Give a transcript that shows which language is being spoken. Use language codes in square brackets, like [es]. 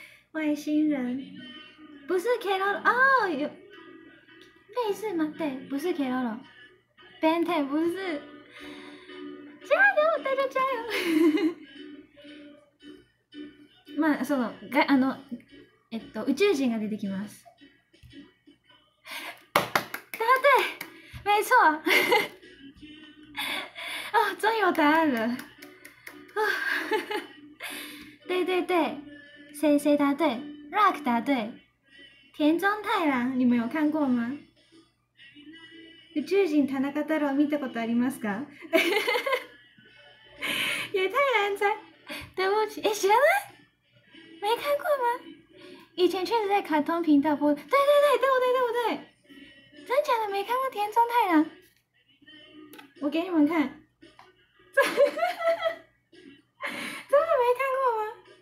[zh] 外星人不是 Carol 哦，有类似吗？对，不是 Carol， Ben 10不是，加油，大家加油！ [ja] まあそのがあの宇宙人が出てきます。 [zh] 答对，没错。啊、哦，终于有答案了！啊、哦，对对对，谁谁答对 ？Rock 答对，田中太郎，你们有看过吗？ [ja] 宇宙人田中太郎見たことありますか？ [zh] 也太难猜，对不起，哎，知道吗？没看过吗？以前确实在卡通频道播，对对对，对不对？对不对？真假的没看过田中太郎？我给你们看。真的没看过吗？